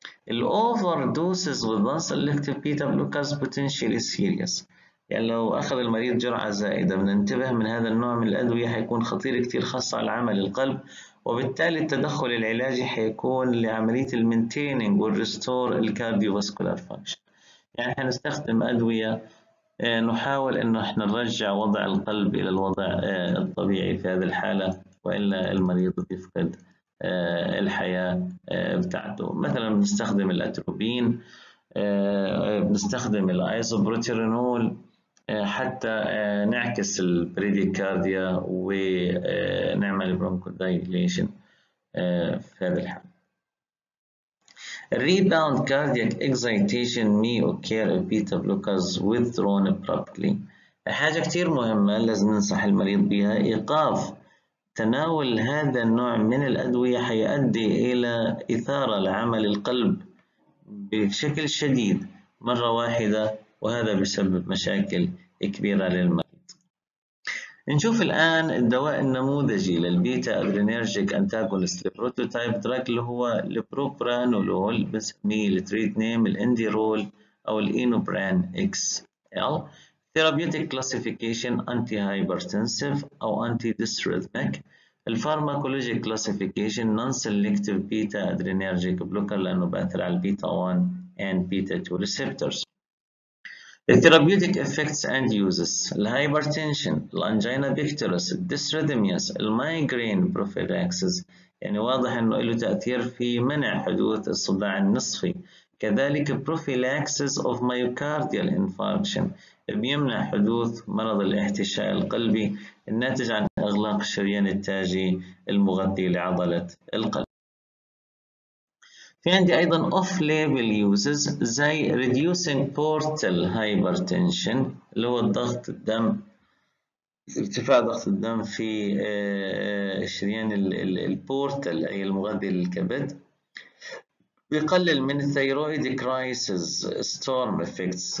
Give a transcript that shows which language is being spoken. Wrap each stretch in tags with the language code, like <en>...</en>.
<ar>الأوفر دوسز والنون سيلكتيف بيتا بلوكرز بوتنشيالي سيريس، يعني لو أخذ المريض جرعة زائدة بننتبه من هذا النوع من الأدوية هيكون خطير كتير، خاصة على عمل القلب، وبالتالي التدخل العلاجي هيكون لعملية المينتيننج والريستور الكارديو فاسكولار فانكشن، يعني هنستخدم أدوية نحاول انه احنا نرجع وضع القلب الى الوضع الطبيعي في هذه الحاله، والا المريض بيفقد الحياه بتاعته. مثلا بنستخدم الاتروبين، بنستخدم الايزوبروتيرينول حتى نعكس البريديكارديا ونعمل برونكودايليشن في هذه الحاله.</ar> <en>Rebound cardiac excitation may occur if beta blockers withdrawn abruptly.</en> <ar>حاجة كتير مهمة لازم ننصح المريض بها، إيقاف تناول هذا النوع من الأدوية هيؤدي إلى إثارة لعمل القلب بشكل شديد مرة واحدة، وهذا بيسبب مشاكل كبيرة للمريض. نشوف الآن الدواء النموذجي للبيتا أدرينيرجيك أنتاغونست البروتوتايب دراج اللي هو البروبرانولول، بنسميه التريت نيم الإنديرول أو الإينوبران إكس إل.</ar> <en>Therapeutic classification anti hypertensive أو anti dysrhythmic. الفارماكولوجيك classification non selective beta adrenergic blocker</en> <ar>لأنه بأثر على</ar> <en>البيتا 1 and beta 2 receptors. The therapeutic effects and uses: hypertension, angina pectoris, dysrhythmias, migraine prophylaxis.</en> <ar>يعني واضح إنه له تأثير في منع حدوث الصداع النصفي.</ar> <en>كذلك prophylaxis of myocardial infarction.</en> <ar>بيمنع حدوث مرض الاحتشاء القلبي الناتج عن إغلاق الشريان التاجي المغطي لعضلة القلب. في عندي ايضا اوف ليبل يوزز زي ريديوسينج بورتال هايبرتنشن اللي هو الضغط الدم، ارتفاع ضغط الدم في الشريان البورتال اي المغذي للكبد، بيقلل من الثيرويد كرايسيس ستورم افكتس.</ar>